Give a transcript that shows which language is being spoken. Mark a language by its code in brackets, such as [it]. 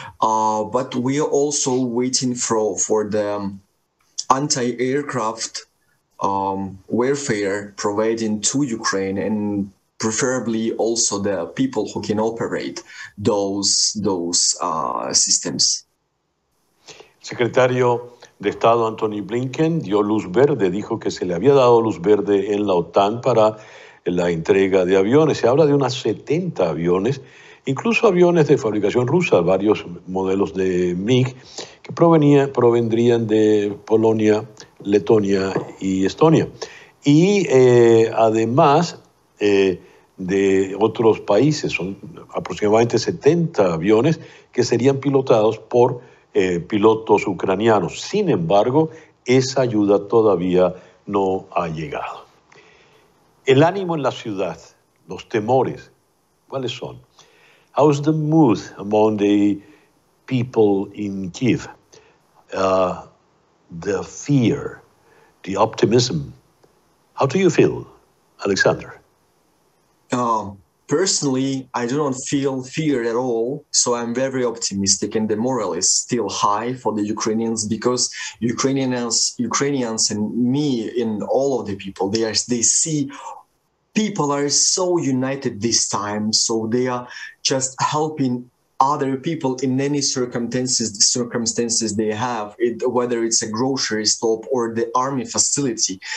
[en] But we are also waiting for the anti-aircraft warfare providing to Ukraine, and preferably also the people who can operate those systems. [es] Secretario de Estado Anthony Blinken dio luz verde, dijo que se le había dado luz verde en la OTAN para la entrega de aviones. Se habla de unas 70 aviones, incluso aviones de fabricación rusa, varios modelos de MiG, que provendrían de Polonia, Letonia y Estonia. Y además de otros países. Son aproximadamente 70 aviones que serían pilotados por pilotos ucranianos. Sin embargo, esa ayuda todavía no ha llegado. El ánimo en la ciudad, los temores, ¿cuáles son? [en] How is the mood among the people in Kiev? The fear, the optimism. How do you feel, Alexander? Personally, I do not feel fear at all, so I'm very optimistic, and the morale is still high for the Ukrainians, because Ukrainians and me and all of the people, they see people are so united this time, so they are just helping other people in any circumstances they have, whether it's a grocery stop or the army facility.